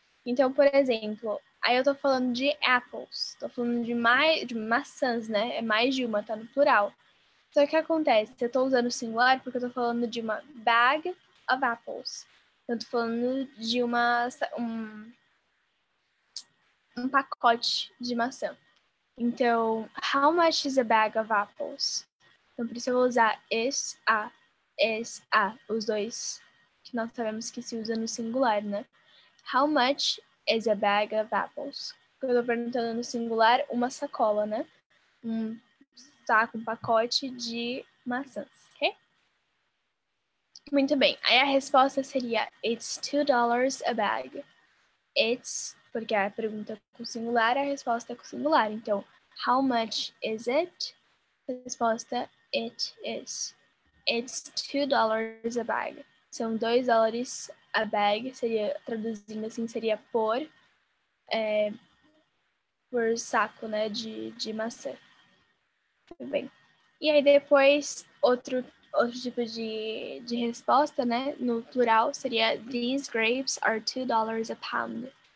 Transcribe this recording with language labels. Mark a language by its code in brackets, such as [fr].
[pt] Então, por exemplo, aí eu tô falando de apples, tô falando de maçãs, né? É mais de uma, tá no plural. Só que o que acontece? Eu tô usando singular porque eu tô falando de uma [en] bag of apples. [pt] Eu tô falando de um pacote de maçã. Então, [en] how much is a bag of apples? [pt] Então, por isso eu vou usar [en] is a, [pt] os dois que nós sabemos que se usa no singular, né? [en] How much is a bag of apples? [pt] Eu estou perguntando no singular uma sacola, né? Um saco, um pacote de maçãs, ok? Muito bem. Aí a resposta seria: [en] It's $2 a bag. [pt] It's, porque a pergunta é com singular, a resposta é com singular. Então, [en] how much is it? [pt] Resposta: [en] it is. It's $2 a bag. [pt] São 2 dólares a [en] bag. [pt] Seria, traduzindo assim, seria por saco, né, de maçã. Tudo bem. E aí depois, outro tipo de resposta, né? No plural, seria [en] These grapes are $2 a pound.